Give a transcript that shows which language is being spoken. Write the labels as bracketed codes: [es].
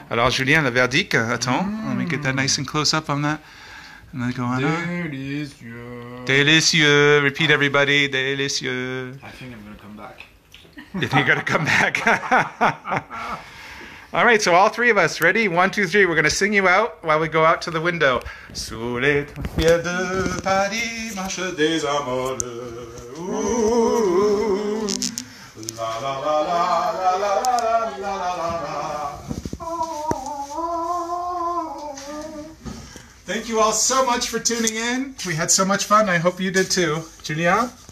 [fr] Alors, Julien, le verdict, attends, [en] let me get that nice and close up on that. And then go on. [fr] Délicieux. [en] Délicieux. Repeat, everybody. Délicieux. I think I'm going to come back. You think you're going to come back? All right, so all three of us, ready? One, two, three. We're going to sing you out while we go out to the window. [fr] Sous les pieds de Paris marche des amoureux. La la la la la la la la la la la la. [en] Thank you all so much for tuning in. We had so much fun. I hope you did too. Julien?